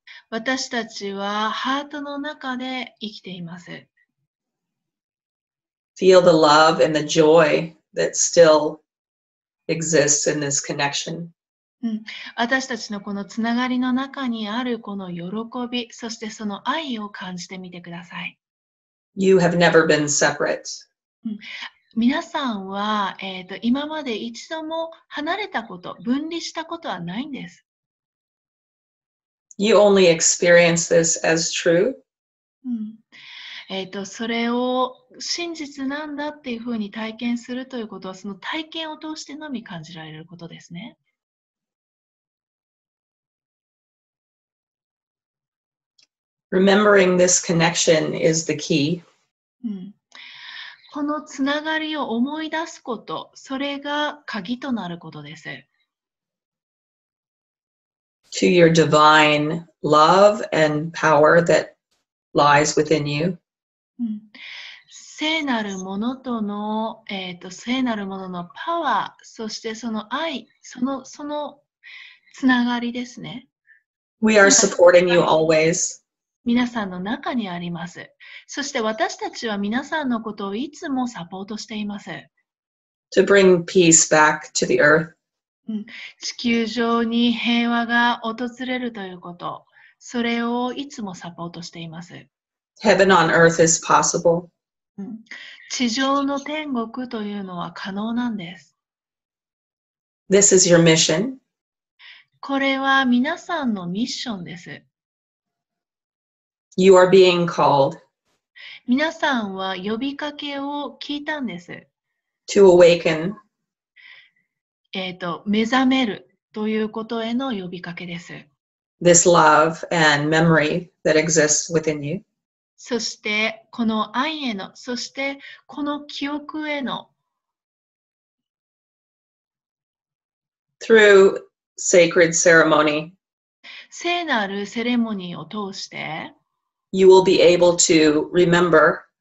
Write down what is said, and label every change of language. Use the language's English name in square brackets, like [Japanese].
[Japanese] 私たちはハートの中で生きています。 [English] Feel the love and the joy that still exists in this connection. [Japanese] 私たちのこのつながりの中にあるこの喜び、そしてその愛を感じてみてください。 [English] You have never been separate. [Japanese] 皆さんは、今まで一度も離れたこと、分離したことはないんです。 [English] You only experience this as true. [Japanese] それを真実なんだっていうふうに体験するということは、その体験を通してのみ感じられることですね。 [English] Remembering this connection is the key. [Japanese] このつながりを思い出すこと、それが鍵となることです。 [English] To your divine love and power that lies within you. [Japanese] 聖なるものとの、聖なるもののパワー、そしてその愛、そのつながりですね。 [English] We are supporting you always. [Japanese] 皆さんの中にあります。そして私たちは皆さんのことをいつもサポートしています。 [English] To bring peace back to the earth. [Japanese] 地球上に平和が訪れるということ、それをいつもサポートしています。 [English] Heaven on earth is possible. [Japanese] 地上の天国というのは可能なんです。 [English] This is your mission. [Japanese] これは皆さんのミッションです。 [English] You are being called. [Japanese] 皆さんは呼びかけを聞いたんです。 [English] To awaken. [Japanese] 目覚めるということへの呼びかけです。 [English] This love and memory that exists within you. [Japanese] そしてこの愛への、そしてこの記憶への。 [English] Through sacred ceremony. [Japanese] 聖なるセレモニーを通して。 [English] You will be able to remember.